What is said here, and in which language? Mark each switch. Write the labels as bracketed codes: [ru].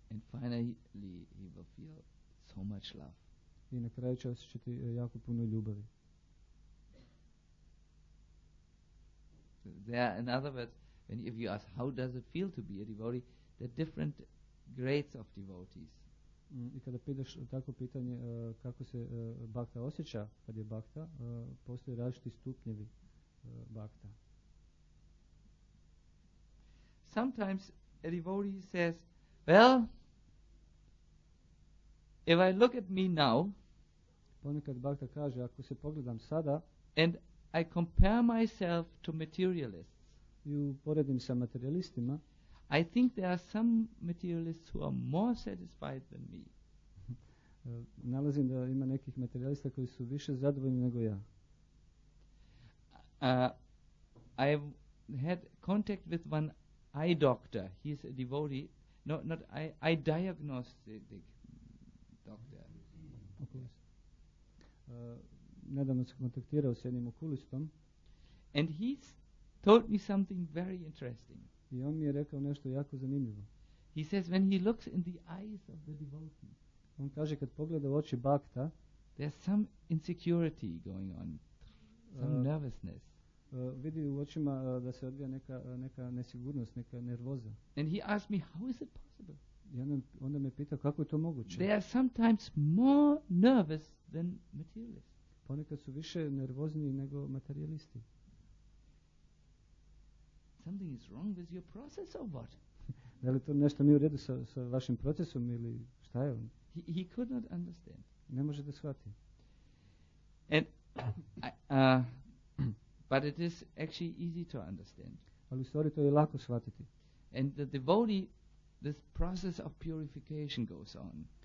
[en] And finally he will feel so much love. [sr] I na kraju će osjećati jako puno ljubavi. [en] There, in other words, when if you ask how does it feel to be a devotee, there are different grades of devotees. [sr] I kada pitaš tako pitanje kako se bhakta osjeća kad je bhakta, postoje različiti stupnjevi bhakta. [en] Sometimes a devotee says, well, if I look at me now, [sr] ponekad bhakta kaže, ako se pogledam sada, [en] and I compare myself to materialists, [sr] i uporedim sa materialistima, [en] I think there are some materialists who are more satisfied than me. [sr] Nalazim da ima nekih materialista koji su više zadovoljni nego ja. [en] I had contact with one eye doctor. He is a devotee. No, not eye diagnostic doctor. [sr] Okulist. Nedavno se kontaktirao s jednim okulistom. [en] And he told me something very interesting. [sr] I on mi je rekao nešto jako zanimljivo. [en] He says when he looks in the eyes of the devotee, [sr] on kaže kad pogleda u oči bhakta, [en] there's some insecurity going on, some nervousness. [sr] Vidi u očima da se odvija neka nesigurnost, neka nervoza. [en] And he asked me how is it possible? [sr] I onda me pita kako je to moguće. [en] They are sometimes more nervous than materialists. [sr] Ponekad su više nervozni nego materialisti. [en] Something is wrong with your process or what? [sr] Da li to nešto nije u redu sa vašim procesom ili šta je on? [en] He could not understand. [sr] Ne može da shvati. [en] And but it is actually easy to understand. [sr] Ali u stvari to je lako shvatiti. [en] And the devotee, this process of purification goes on.